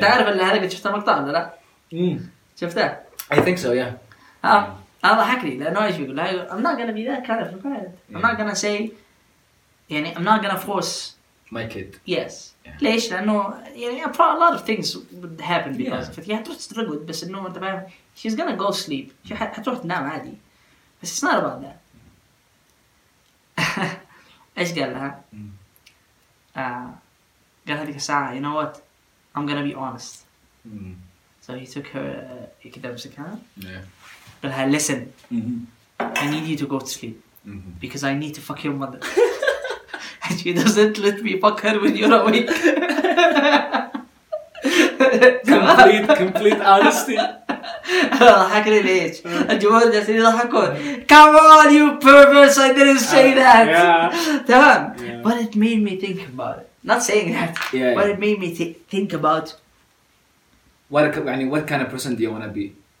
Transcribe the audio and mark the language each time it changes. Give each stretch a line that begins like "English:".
Arabic: تعرف اللي هذا شفته مقطع ولا لا؟ شفته؟
English: I think so, yeah.
Arabic: أنا ضحكني لأنه إيش بيقول؟
English: I'm not gonna be that kind of parent. Yeah. I'm not gonna say
Arabic: يعني
English: I'm not gonna force my kid. Yes. Yeah.
Arabic: ليش؟ لأنه يعني
English: a lot of things would happen because yeah. of it.
Arabic: هتروح تترقد بس إنه أنت فاهم
English: she's gonna go sleep. She
Arabic: هتروح تنام عادي. بس
English: it's not about that.
Arabic: ايش قال لها؟ قال هذيك الساعة
English: you know what I'm gonna be honest. So he took her
Arabic: كده مسكها قال لها
English: listen I need you to go to sleep because I need to fuck your mother and she doesn't let me fuck her when you're awake. complete honesty.
Arabic: ضحكني ليش؟ الجمهور جالسين يضحكون.
English: Come on you pervert, I didn't say that.
Arabic: تمام.
English: But it made me think about it. Not saying that. Yeah, but yeah. it made me think about. What kind of person do you want to be?